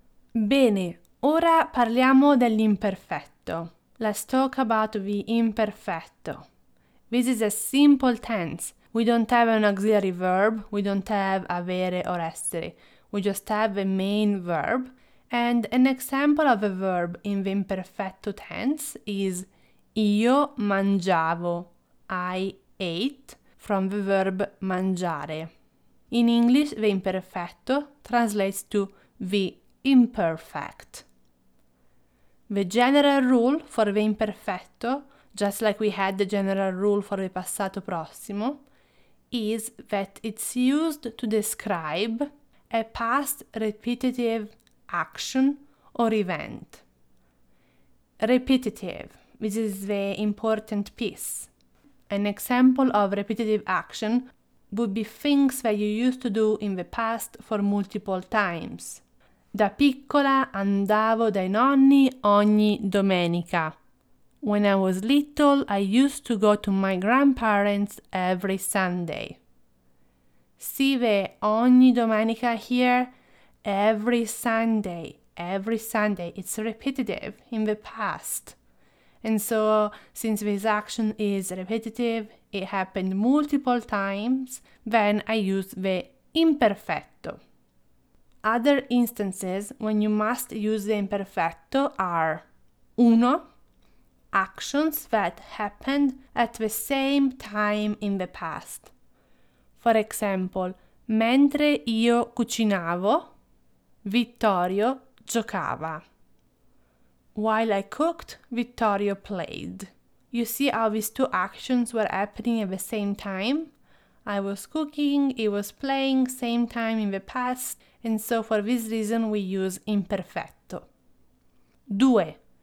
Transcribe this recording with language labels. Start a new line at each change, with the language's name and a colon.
Italian: Bene, ora parliamo dell'imperfetto.
English: Let's talk about the imperfetto. This is a simple tense. We don't have an auxiliary verb. We don't have avere or essere. We just have the main verb. And an example of a verb in the imperfetto tense is io mangiavo, I ate, from the verb mangiare. In English, the imperfetto translates to the imperfect. The general rule for the imperfetto, just like we had the general rule for the passato prossimo, is that it's used to describe a past repetitive action or event. Repetitive. This is the important piece. An example of repetitive action would be things that you used to do in the past for multiple times.
Italian: Da piccola andavo dai nonni ogni domenica.
English: When I was little, I used to go to my grandparents every Sunday.
Italian: Si ve ogni domenica
English: here? Every Sunday. Every Sunday. It's repetitive in the past. And so, since this action is repetitive, it happened multiple times, then I use the imperfetto. Other instances when you must use the imperfetto are 1. Actions that happened at the same time in the past. For example,
Italian: mentre io cucinavo, Vittorio giocava.
English: While I cooked, Vittorio played. You see how these two actions were happening at the same time? I was cooking, he was playing, same time in the past, and so for this reason we use imperfetto. 2.